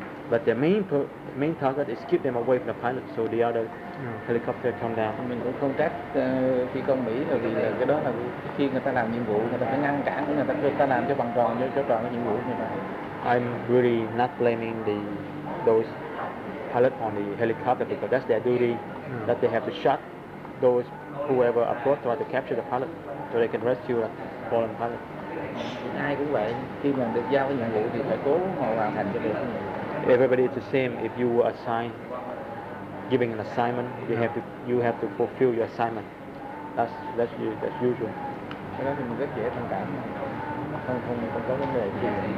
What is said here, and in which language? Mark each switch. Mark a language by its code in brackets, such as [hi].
[en] But their main target is keep them away from the pilot so the other helicopter come down. [vi] Mình cũng không trách phi công Mỹ, là vì là cái đó là khi người ta làm nhiệm vụ người ta phải ngăn cản, người ta làm cho bằng tròn, cho tròn cái nhiệm vụ như vậy. [en] I'm really not blaming those pilot on the helicopter because that's their duty, that they have to shot those whoever approached try to capture the pilot so they can rescue the fallen pilot. [vi] Ai cũng vậy, khi mà được giao cái nhiệm vụ thì phải cố hoàn thành cho được. [en] Everybody is the same. If you were giving an assignment, you have to fulfill your assignment. That's usual. [vi] Cái đó thì mình rất dễ thông cảm, không có vấn đề gì.